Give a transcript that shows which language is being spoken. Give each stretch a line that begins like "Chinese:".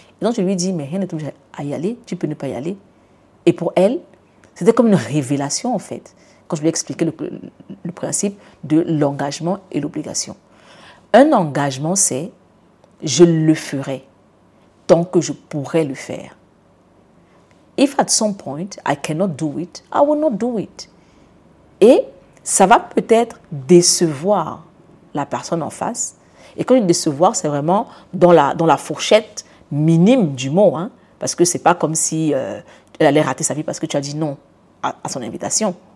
French: Et donc je lui dis, mais rien n'est obligé à y aller, tu peux ne pas y aller. Et pour elle, c'était comme une révélation en fait, quand je lui ai expliqué le principe de l'engagement et l'obligation. Un engagement c'est, je le ferai tant que je pourrai le faire.
English: If at some point I cannot do it, I will not do it.
French: Et ça va peut-être décevoir la personne en face. Et quand je dis décevoir, c'est vraiment dans la fourchette minime du mot. Hein, parce que ce n'est pas comme si elle allait rater sa vie parce que tu as dit non à son invitation.